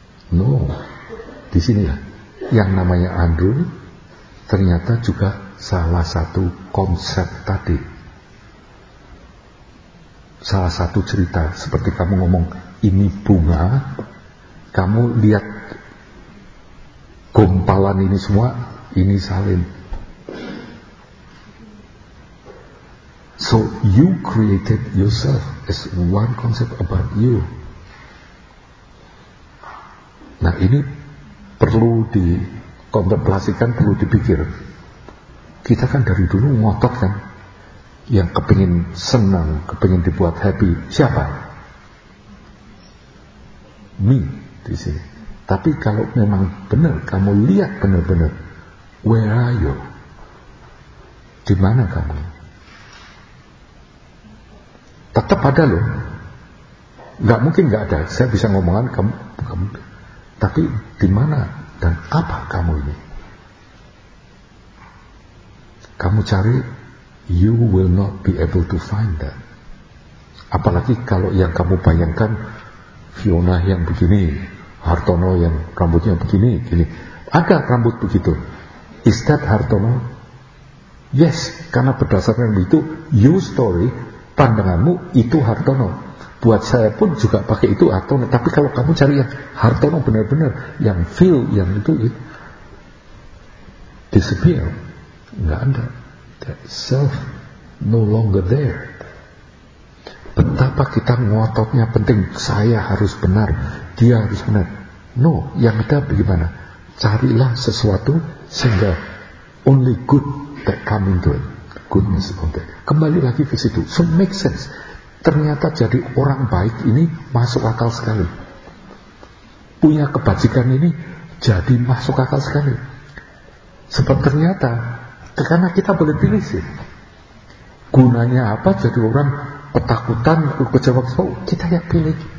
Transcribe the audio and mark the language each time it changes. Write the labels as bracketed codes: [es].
[id] No, di sinilah yang namanya Andrew ternyata juga salah satu konsep tadi, salah satu cerita. Seperti kamu ngomong ini bunga, kamu lihat gumpalan ini semua, ini salin. [en] So you created yourself as one concept about you. [id] Nah ini perlu dikontemplasikan, perlu dipikir. Kita kan dari dulu ngotot kan, yang kepingin senang, kepingin dibuat happy, siapa? Me di sini. Tapi kalau memang benar, kamu lihat benar-benar, [en] where are you? [id] Di mana kamu? Tetap ada loh. Gak mungkin gak ada. Saya bisa ngomongan kamu. Tapi di mana dan apa kamu ini? Kamu cari, [en] you will not be able to find that. [id] Apalagi kalau yang kamu bayangkan Fiona yang begini, Hartono yang rambutnya begini, gini. Ada rambut begitu. [en] Is that Hartono? Yes, [id] karena berdasarkan itu, [en] you story, [id] pandanganmu itu Hartono. Buat saya pun juga pakai itu Hartono. Tapi kalau kamu cari yang Hartono benar-benar, yang feel, yang itu, [en] it disappear. [id] Nggak ada. [en] That self no longer there. [id] Betapa kita ngototnya penting, saya harus benar, dia harus benar. No, yang ada bagaimana? Carilah sesuatu sehingga [en] only good that come into it. Goodness of that. [id] Kembali lagi ke situ. [en] So make sense. [id] Ternyata jadi orang baik ini masuk akal sekali. Punya kebajikan ini jadi masuk akal sekali. Sebab ternyata, karena kita boleh pilih sih. Gunanya apa jadi orang ketakutan, kecewa, kita yang pilih.